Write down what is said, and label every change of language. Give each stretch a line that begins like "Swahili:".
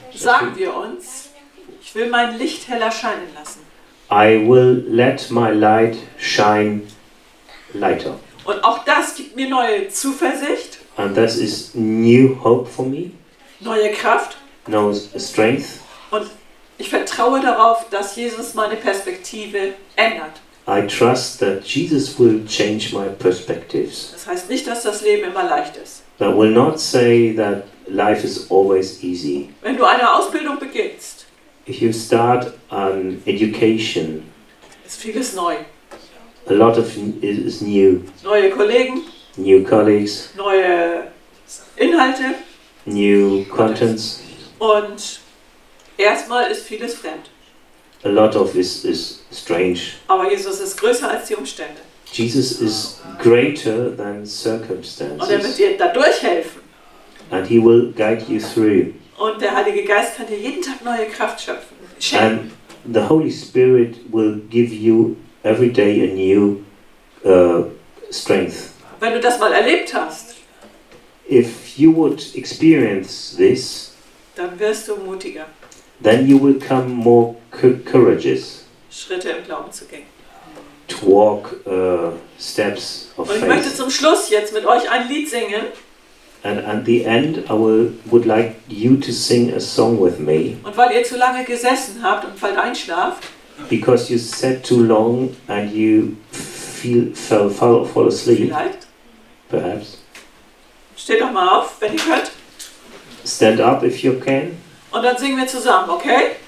German: sagen wir uns, ich will mein Licht heller scheinen lassen.
English: I will let my light shine lighter.
German: Und auch das gibt mir neue Zuversicht.
English: And this is new hope for me.
German: Neue Kraft.
English: No strength.
German: Und ich vertraue darauf, dass Jesus meine Perspektive ändert.
English: I trust that Jesus will change my perspectives.
German: Das heißt nicht, dass das Leben immer leicht ist.
English: That will not say that life is always easy.
German: Wenn du eine Ausbildung beginnst.
English: If you start an education.
German: Ist vieles neu.
English: A lot of it is new.
German: Neue Kollegen.
English: New colleagues.
German: Neue Inhalte.
English: New contents.
German: Und erstmal ist vieles fremd.
English: A lot of it is strange.
German: Aber Jesus ist größer als die Umstände.
English: Jesus is greater than circumstances.
German: Und er wird dir dadurch helfen.
English: And he will guide you through.
German: Und der Heilige Geist kann dir jeden Tag neue Kraft schöpfen.
English: And the Holy Spirit will give you every day a new strength.
German: Wenn du das mal erlebt hast,
English: if you would experience this,
German: dann wirst du mutiger.
English: Then you will come more courageous.
German: Schritte im Glauben zu gehen.
English: To walk steps of faith.
German: Und ich möchte zum Schluss jetzt mit euch ein Lied singen.
English: And at the end, I would like you to sing a song with me.
German: Und weil ihr zu lange gesessen habt und bald einschlaft.
English: Because you sat too long and you fell asleep.
German: Vielleicht.
English: Perhaps.
German: Steht doch mal auf, wenn ihr könnt.
English: Stand up if you can.
German: Und dann singen wir zusammen, okay?